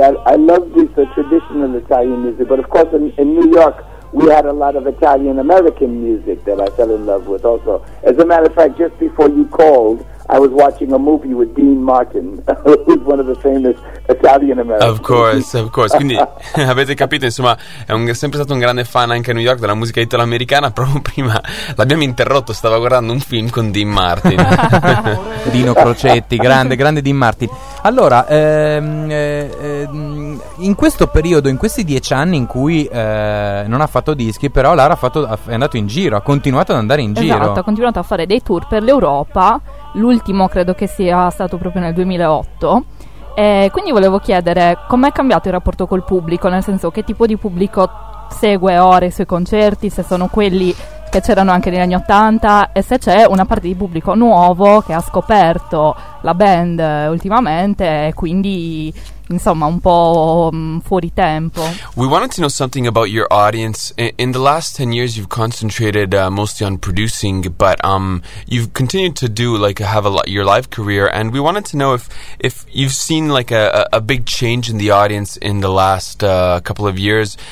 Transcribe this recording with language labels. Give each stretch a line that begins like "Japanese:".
English: I love this traditional Italian music, but of course in New York we had a lot of Italian American music that I fell in love with also. As a matter of fact, just before you called, I was watching a movie with Dean Martin, who's one of the famous Italian Americans. Of course, of course.
Italian: Quindi avete capito, insomma, è sempre stato un grande fan anche a New York della musica italo-americana. Proprio prima l'abbiamo interrotto, stava guardando un film con Dean Martin. Dino Crocetti, grande, grande Dean Martin. Allora, in questo periodo, in questi 10 anni in cui non ha fatto dischi, però Lara è andato in giro, ha continuato ad andare in giro. Esatto, ha continuato a fare dei tour per l'Europa. L'ultimo credo che sia stato proprio nel 2008, Quindi volevo chiedere com'è cambiato il rapporto col pubblico, nel senso che tipo di pubblico segue ora i suoi concerti, se sono quelli che c'erano anche negli anni 80 e se c'è una parte di pubblico nuovo che ha scoperto la band ultimamente e quindi insomma un po' fuori tempo.
English: We wanted to know something about your audience. In the last 10 years you've concentrated mostly on producing, but you've continued to do like have a your live career, and we wanted to know if you've seen like a big change in the audience in the last couple of years.